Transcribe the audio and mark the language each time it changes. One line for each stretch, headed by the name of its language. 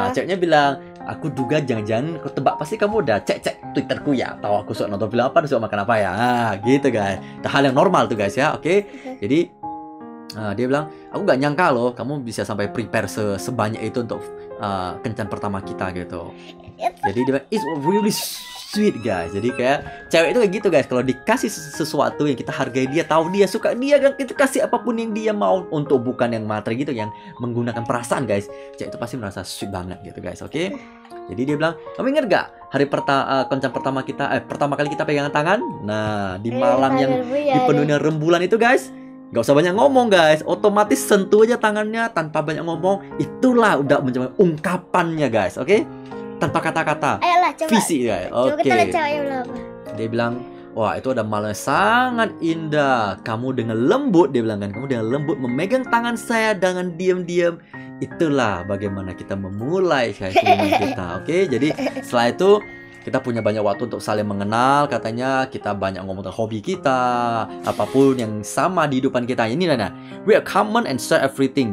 Indonesian: Ceweknya bilang, aku duga jangan-jangan aku tebak pasti kamu udah cek-cek Twitterku ya, tahu aku suka nonton film apa, suka makan apa ya, gitu guys. Itu hal yang normal tuh guys ya, oke? Okay. Jadi dia bilang, aku gak nyangka loh kamu bisa sampai prepare sebanyak itu untuk kencan pertama kita gitu. Jadi dia bilang,
English: it's really sweet guys.
Indonesian: Jadi kayak cewek itu kayak gitu guys, kalau dikasih sesuatu yang kita hargai, dia tahu dia suka, dia kan kita kasih apapun yang dia mau, untuk bukan yang materi gitu, yang menggunakan perasaan guys, cewek itu pasti merasa sweet banget gitu guys. Oke, okay? Jadi dia bilang, kamu ingat gak hari kencan pertama kita, pertama kali kita pegangan tangan, nah di malam yang di penuhnya rembulan itu guys, gak usah banyak ngomong guys, otomatis sentuh aja tangannya tanpa banyak ngomong, itulah udah mencapai ungkapannya guys. Oke, okay? Tanpa kata-kata. Ayolah, coba. Visi ya. Oke. Okay. Coba kita lihat cowoknya apa. Dia bilang, wah itu ada malam yang sangat indah. Kamu dengan lembut, dia bilang kan. Kamu dengan lembut memegang tangan saya dengan diam-diam. Itulah bagaimana kita memulai kehidupan kita. Oke, okay? Jadi setelah itu kita punya banyak waktu untuk saling mengenal. Katanya kita banyak ngomong tentang hobi kita, apapun yang sama di hidupan kita. Ini
English: Nana, we are common and share everything.